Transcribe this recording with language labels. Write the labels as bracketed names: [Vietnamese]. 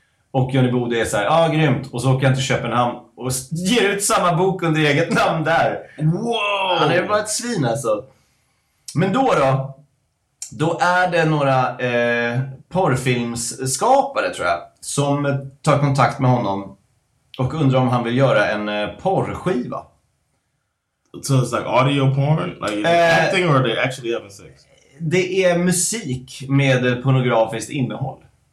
[Swedish] Och Johhny Bode är så här, ah, grymt. Och så åker han till Köpenhamn och ger ut samma bok under eget namn där. [English] Wow! [Swedish] Han är bara ett svin alltså. Men då är det några porrfilmsskapare tror jag som tar kontakt med honom och undrar om han vill göra en porrskiva. [English] So it's like audio porn, like acting, or they actually having sex? [Swedish] Det är musik med pornografiskt innehåll.